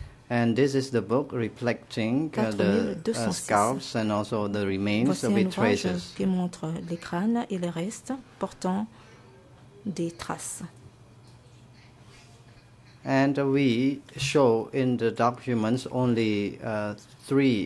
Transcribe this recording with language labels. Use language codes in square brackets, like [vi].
[en] And this is the book reflecting the scalps and also the remains of the traces. [fr] Qui montre les crânes et les restes portant des traces. [en] And we show in the documents only three